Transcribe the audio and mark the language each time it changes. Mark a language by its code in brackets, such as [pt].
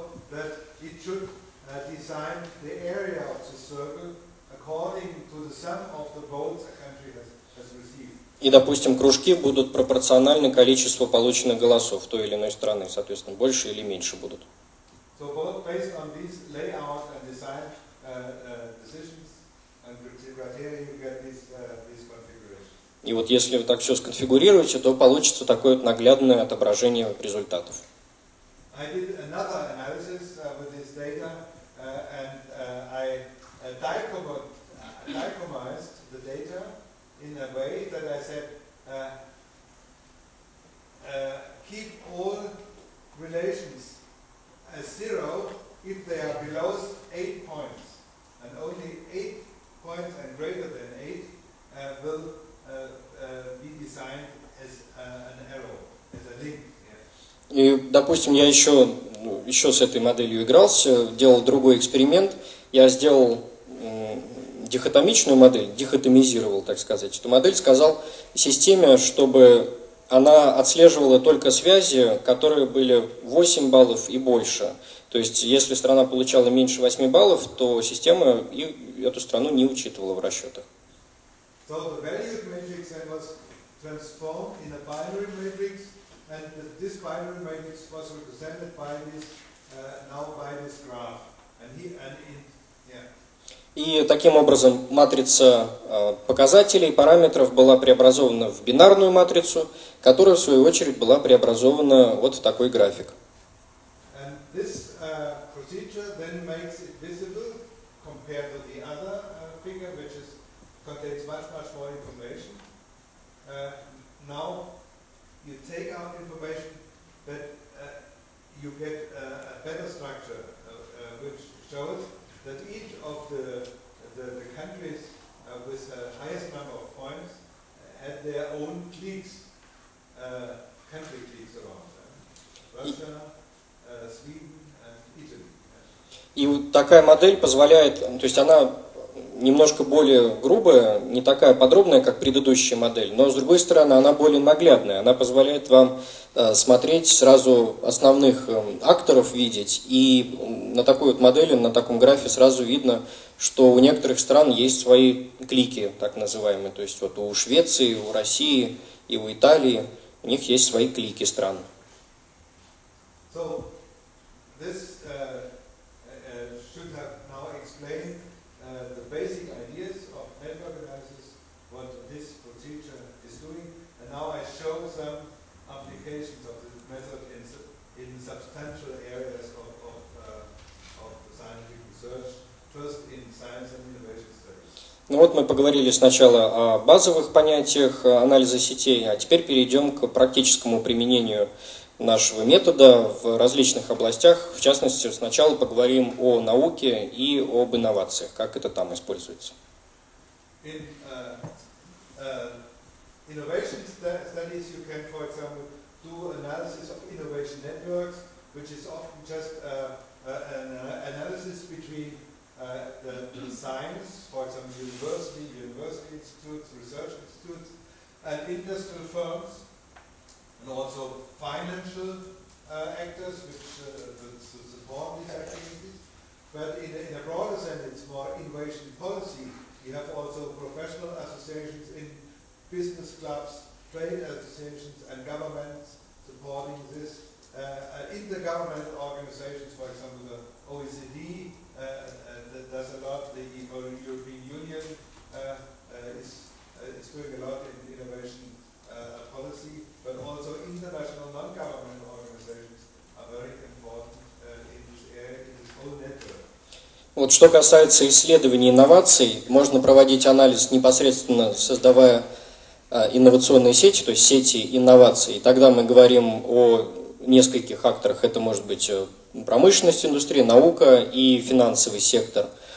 [en] That it should design the area of the circle according to the sum of the votes a country has received. [ru] И, допустим, кружки будут пропорциональны количеству полученных голосов той или иной страны, соответственно, больше или меньше будут. [en] So both based on this layout and design decisions and criteria, you get this this configuration. [ru] И вот если вы так все сконфигурируете, то получится такое вот наглядное отображение результатов. [en] I did another analysis with this data, and I dichotomized the data in a way that I said keep all relations as zero if they are below 8 points, and only 8 points and greater than 8 will be designed as an arrow, as a link. [ru] И, допустим, я еще с этой моделью игрался, делал другой эксперимент. Я сделал дихотомичную модель, дихотомизировал, так сказать, эту модель, сказал системе, чтобы она отслеживала только связи, которые были 8 баллов и больше. То есть, если страна получала меньше 8 баллов, то система эту страну не учитывала в расчетах. [en] So the value matrix was transformed in a binary matrix. And this binary matrix was represented by this now by this graph. And he and in yeah. [ru] И таким образом матрица показателей параметров была преобразована в бинарную матрицу, которая в свою очередь была преобразована вот в такой график. [en] And this procedure then makes it visible compared to the other figure, which is contains much much more information. Now. You take out information, but you get a better structure, which shows that each of the countries with the highest number of points had their own cliques, country cliques around them. Russia, Sweden, and Italy. [ru] И вот такая модель позволяет, то есть она немножко более грубая, не такая подробная, как предыдущая модель, но, с другой стороны, она более наглядная. Она позволяет вам смотреть сразу основных акторов видеть, и на такой вот модели, на таком графе сразу видно, что у некоторых стран есть свои клики, так называемые. То есть вот у Швеции, у России и у Италии у них есть свои клики стран. [en] So, this should have now explained the basic ideas of network analysis, what this procedure is doing, and now I show some applications of this method in substantial areas of scientific research, first in science and innovation studies. [ru] Ну вот мы поговорили сначала о базовых понятиях анализа сетей, а теперь перейдем к практическому применению нашего метода в различных областях. В частности, сначала поговорим о науке и об инновациях, как это там используется. [en] In innovation studies you can, for example, do analysis of innovation networks, which is often just analysis between the science, for example, university institutes, research institutes, and industrial firms. And also financial actors, which support these activities. But in a broader sense, it's more innovation policy. We have also professional associations in business clubs, trade associations, and governments supporting this. Intergovernmental organizations, for example, the OECD does a lot. The European Union is doing a lot in innovation policy. But also international non-governmental organizations are very important in this area, in this whole network. [ru] Вот что касается исследований инноваций, можно проводить анализ непосредственно, создавая инновационные сети, то есть сети инноваций. Тогда мы говорим о нескольких акторах. Это может быть промышленность, индустрия, наука и финансовый сектор.